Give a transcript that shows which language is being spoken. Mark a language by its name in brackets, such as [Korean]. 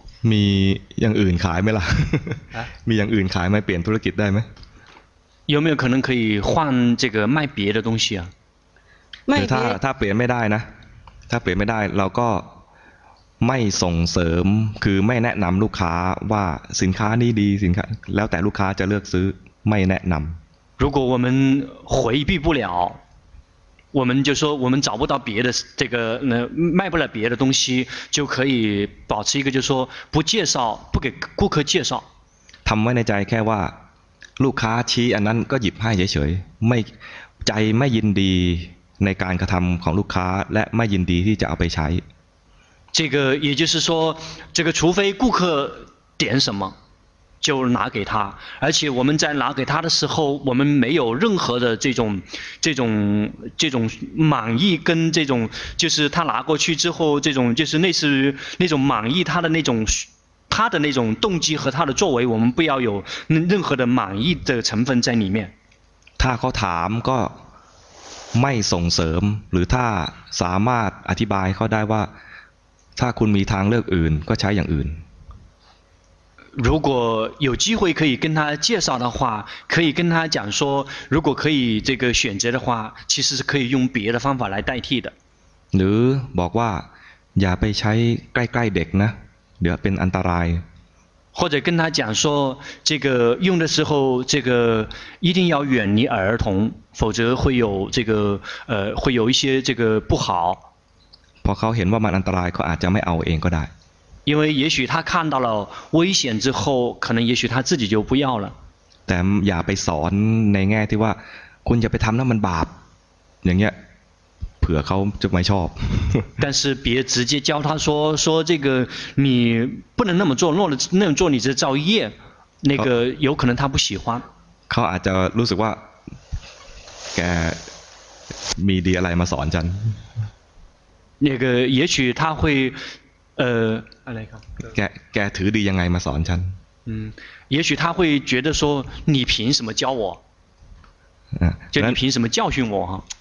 [Thai] มีอย่างอื่นขายไหมล่ะมีอย่างอื่นขายไหมเปลี่ยนธุรกิจได้ไหม [Chinese] 有没有可能可以换这个卖别的东西啊？卖别他 [Thai] เปลี่ยนไม่ได้นะถ้าเปลี่ยนไม่ได้เราก็ไม่ส่งเสริมคือไม่แนะนำลูกค้าว่าสินค้านี้ดีสินค้าแล้วแต่ลูกค้าจะเลือกซื้อไม่แนะนำ [Chinese] 如果我们回避不了我们就说我们找不到别的这个卖不了别的东西就可以保持一个就是说不介绍不给顾客介绍 [Thai] ทำไว้ในใจแค่ว่าลูกค้าชี้อันนั้นก็หยิบให้เฉยๆไม่ใจไม่ยินดีในการกระทําของลูกค้าและไม่ยินดีที่จะเอาไปใช้ [Chinese] 这个也就是说这个除非顾客点什么就拿给他而且我们在拿给他的时候我们没有任何的这种满意跟这种就是他拿过去之后这种就是类似于那种满意他的那种他的那种动机和他的作为我们不要有任何的满意的成分在里面他 [Thai] เขาถามก็ไม่ส่งเสริมหรือถ้าสามารถอธิบายเขาได้ว่าถ้าคุณมีทางเลือกอื่นก็ใช้อย่างอื่น [Chinese] 如果有机会可以跟他介绍的话可以跟他讲说如果可以这个选择的话其实是可以用别的方法来代替的 [Thai] หรือบอกว่าอย่าไปใช้ใกล้ๆเด็กนะเดี๋ยวเป็นอันตราย [Chinese] 或者跟他讲说这个用的时候这个一定要远离儿童否则会有这个会有一些这个不好 [Thai] พอเขาเห็นว่ามันอันตรายเขาอาจจะไม่เอาเองก็ได้ [Chinese] 因为也许他看到了危险之后可能也许他自己就不要了 [Thai] แต่อย่าไปสอนในแง่ที่ว่าคุณจะไปทำแล้วมันบาปอย่างเงี้ยเผื่อเขาจะไม่ชอบ [Chinese] 但是别直接教他说这个你不能那么做那么做你这造业那个有可能他不喜欢 [Thai] เขาอาจจะรู้สึกว่าแกมีดีอะไรมาสอนฉัน [Chinese] 那个也许他会 [Thai] อะไร ครับแกถือดียังไงมาสอนฉัน [Chinese] 也许他会觉得说你凭什么教我就你凭什么教训我哈